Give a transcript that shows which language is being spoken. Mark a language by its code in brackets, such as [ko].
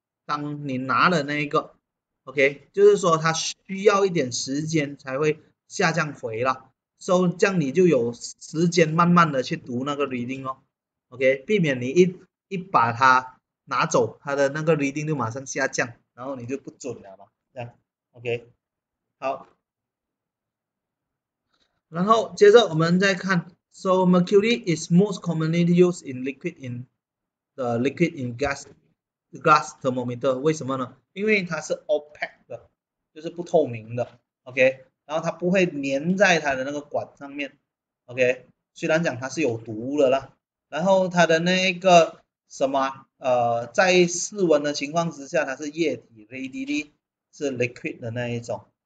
[zh] 当你拿了那一个，OK，就是说它需要一点时间才会下降回了，所以这样你就有时间慢慢的去读那个 reading 哦，OK，避免你一把它拿走，它的那个 reading 就马上下降，然后你就不准了嘛，这样，OK，好。然后接着我们再看， [en] So mercury is most commonly used in glass thermometer。 [zh] 为什么呢？因为它是 opaque 的，就是不透明的。 OK，然后它不会粘在它的那个管上面。 OK，虽然讲它是有毒的啦，然后它的那个什么，在室温的情况之下，它是液体 （readily），是 liquid 的那一种。